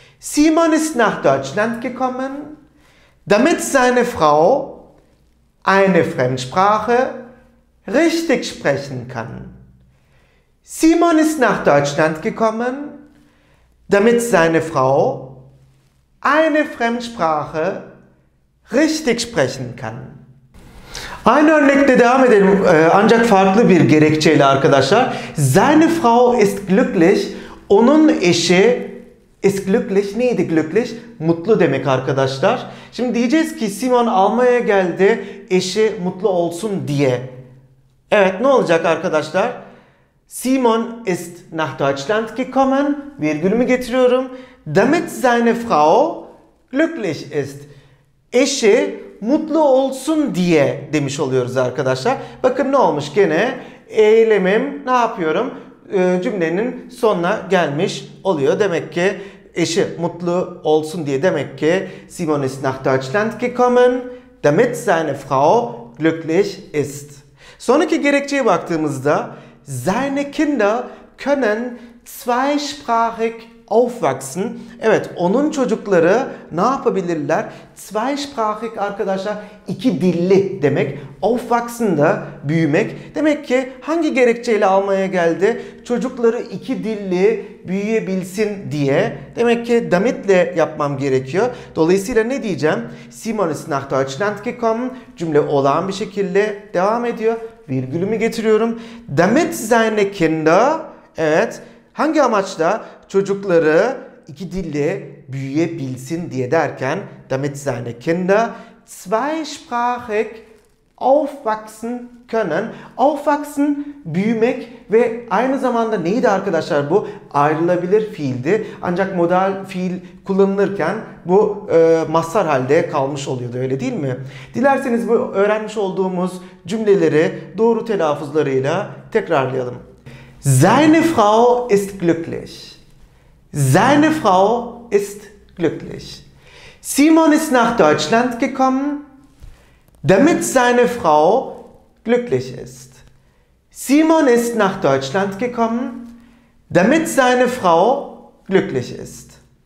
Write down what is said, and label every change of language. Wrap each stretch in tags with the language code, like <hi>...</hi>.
<de>Simon ist nach Deutschland gekommen, damit seine Frau eine Fremdsprache richtig sprechen kann. Simon ist nach Deutschland gekommen, damit seine Frau eine Fremdsprache richtig sprechen kann.</de> <tr>Aynı örnekle devam edelim ancak farklı bir gerekçeyle arkadaşlar.</tr> <de>Seine Frau ist glücklich.</de> <tr>Onun eşi</tr> <de>ist glücklich.</de> <tr>Neydi glücklich? Mutlu demek arkadaşlar. Şimdi diyeceğiz ki Simon Almanya'ya geldi. Eşi mutlu olsun diye. Evet, ne olacak arkadaşlar?</tr> <de>Simon ist nach Deutschland gekommen,</de> <tr>virgülümü getiriyorum,</tr> <de>damit seine Frau glücklich ist.</de> <tr>Eşi mutlu olsun diye demiş oluyoruz arkadaşlar. Bakın ne olmuş gene? Eylemim ne yapıyorum? Cümlenin sonuna gelmiş oluyor. Demek ki eşi mutlu olsun diye demek ki</tr> <de>Simon ist nach Deutschland gekommen, damit seine Frau glücklich ist.</de> <tr>Sonraki gerekçeye baktığımızda</tr> <de>seine Kinder können zweisprachig aufwachsen.</de> <tr>Evet, onun çocukları ne yapabilirler? Zweisprachig arkadaşlar, iki dilli demek. Aufwachsen da büyümek. Demek ki hangi gerekçeyle almaya geldi? Çocukları iki dilli büyüyebilsin diye. Demek ki damitle yapmam gerekiyor. Dolayısıyla ne diyeceğim?</tr> <de>Simon ist nach Deutschland gekommen.</de> <tr>Cümle olağan bir şekilde devam ediyor. Virgülümü getiriyorum.</tr> <de>Damit seine Kinder,</de> <tr>evet, hangi amaçla? Çocukları iki dille büyüyebilsin diye derken,</tr> <de>damit seine Kinder zweisprachig aufwachsen können.</de> <tr>Aufwachsen, büyümek ve aynı zamanda neydi arkadaşlar bu? Ayrılabilir fiildi. Ancak modal fiil kullanılırken bu mazhar halde kalmış oluyordu, öyle değil mi? Dilerseniz bu öğrenmiş olduğumuz cümleleri doğru telaffuzlarıyla tekrarlayalım.</tr> <de>Seine Frau ist glücklich. Seine Frau ist glücklich. Simon ist nach Deutschland gekommen, damit seine Frau glücklich ist. Simon ist nach Deutschland gekommen, damit seine Frau glücklich ist.</de>